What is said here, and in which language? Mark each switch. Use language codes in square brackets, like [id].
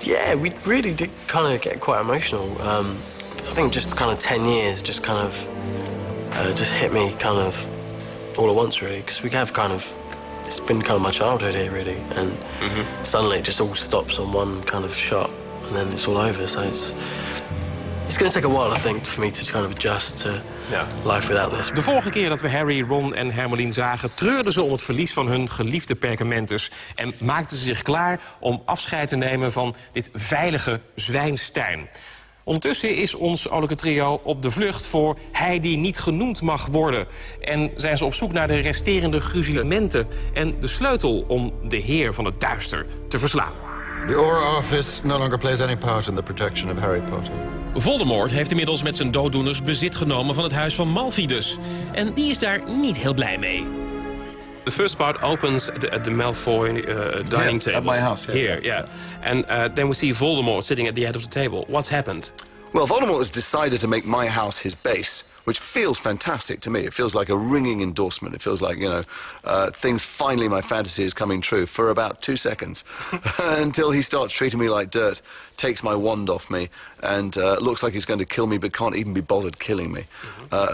[en] Yeah, we really did kind of get quite emotional. I think just kind of 10 years just kind of just hit me kind of all at once, really, because we have kind of, it's been kind of my childhood here, really, and suddenly it just all stops on one kind of shot and then it's all over. So it's going to take a while, I think, for me to kind of adjust to life without this. [nl] De vorige keer dat we Harry, Ron en Hermeline zagen, treurden ze om het verlies van hun geliefde perkamentus en maakten ze zich klaar om afscheid te nemen van dit veilige zwijnstein. Ondertussen is ons olijke trio op de vlucht voor hij die niet genoemd mag worden. En zijn ze op zoek naar de resterende gruzilementen en de sleutel om de heer van het duister te verslaan. [en] The Aura Office no longer plays any part in the protection of Harry Potter. [nl] Voldemort heeft inmiddels met zijn dooddoeners bezit genomen van het huis van Malfi dus. En die is daar niet heel blij mee. [en] The first part opens at the Malfoy dining table. At my house, here, yeah. And then we see Voldemort sitting at the head of the table. What's happened? Well, Voldemort has decided to make my house his base, which feels fantastic to me. It feels like a ringing endorsement. It feels like, you know, things finally, my fantasy is coming true for about 2 seconds until he starts treating me like dirt, takes my wand off me, and looks like he's going to kill me but can't even be bothered killing me. Mm-hmm.